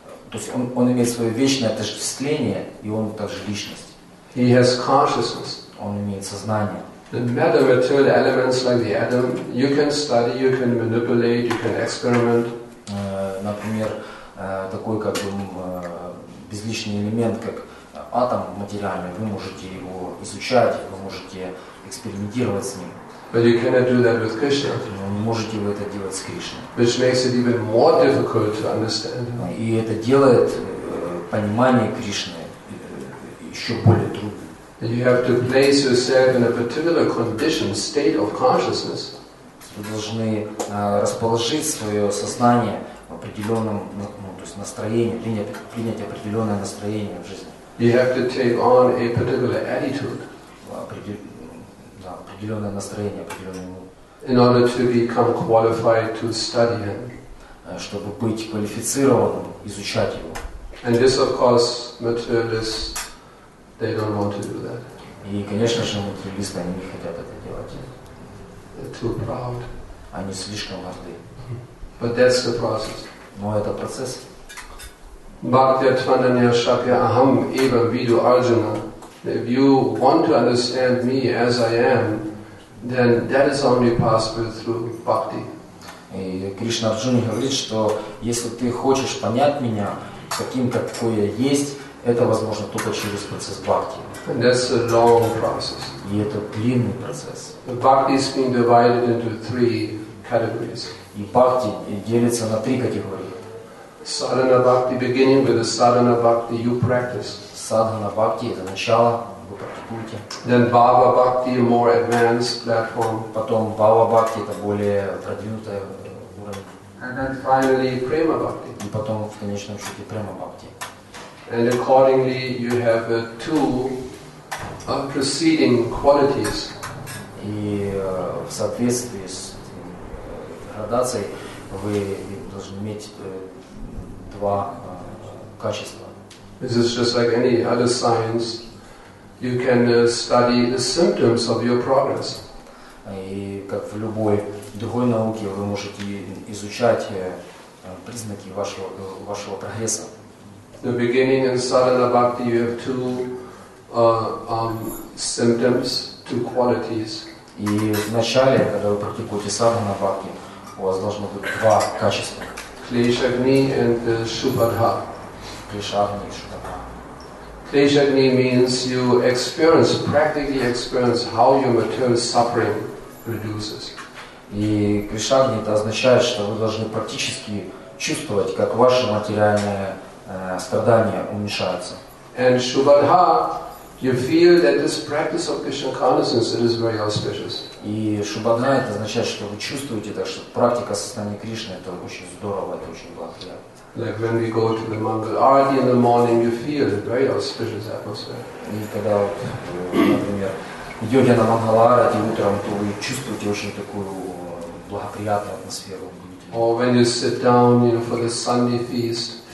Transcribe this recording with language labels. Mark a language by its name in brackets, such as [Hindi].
[Russian] То есть он имеет свое вечное отождествление, и он также личность. [English] He has consciousness. [Russian] Он имеет сознание. [English] The matter-material elements like the atom, you can study, you can manipulate, you can experiment. [Russian] Например, такой как безличный элемент, как атом материальный, вы можете его изучать, вы можете экспериментировать с ним. [English] But you cannot do that with Krishna. [Russian] Но не можете вы это делать с Кришной. [English] Which makes it even more difficult to understand. [Russian] И это делает понимание Кришны еще более трудным. [English] You have to place yourself in a particular condition, state of consciousness. [Russian] Вы должны расположить свое сознание в определенном, то есть настроении, принять определенное настроение в жизни. [English] You have to take on a particular attitude. [Russian] Определенное настроение, определенное. [English] In order to become qualified to study him. [Russian] Чтобы быть квалифицированным, изучать его. [English] And this, of course, materialists, they don't want to do that. [Russian] И, конечно же, материалисты, они не хотят это делать. [English] They're too proud. [Russian] Они слишком горды. [English] But that's the process. [Russian] Но это процесс. [Sanskrit] Bhaktya Tvandaniya Shakya Aham Eva Vidu Arjuna. [English] If you want to understand me as I am, then that is only possible through bhakti. [Russian] И Кришна Арджуна говорит, что если ты хочешь понять меня таким, какой я есть, это возможно только через процесс бхакти. [English] And that's a long process. [Russian] И это длинный процесс. [English] The bhakti is being divided into three categories. [Russian] И бхакти делится на три категории. [English] Sadhana bhakti, beginning with the sadhana bhakti you practice. [Russian] Садхана бхакти – это начало, вы практикуете. [English] Then bhava bhakti – more advanced platform. [Russian] Потом bhava bhakti – это более продвинутый уровень. [English] And then finally prema bhakti. [Russian] И потом в конечном счете prema bhakti. [English] And accordingly you have two preceding qualities. [Russian] И в соответствии с градацией вы должны иметь два качества. [English] This is just like any other science. You can study the symptoms of your progress. [Russian] И как в любой другой науке вы можете изучать признаки вашего прогресса. [English] The beginning in sadhana bhakti you have two symptoms, two qualities. [Russian] И в начале, когда вы практикуете садхана бхакти, у вас должно быть два качества. [Sanskrit] Клешагни и шубадха. Клешагни и шубадха. [English] Клешагни means you experience, practically experience how your material suffering reduces. [Russian] И клешагни это означает, что вы должны практически чувствовать, как ваше материальное страдание уменьшается. [English] And шубадха. You feel that this practice of Krishna consciousness it is very auspicious. [Russian] И шубадха это означает, что вы чувствуете, так что практика сознания Кришны это очень здорово, это очень благоприятно. [English] Like when we go to the Mangal Arati in the morning, you feel a very auspicious atmosphere. [Russian] И когда, например, идете на Мангал Арати утром, то вы чувствуете очень такую благоприятную атмосферу. [English] Or when you sit down, you know, for the Sunday feast.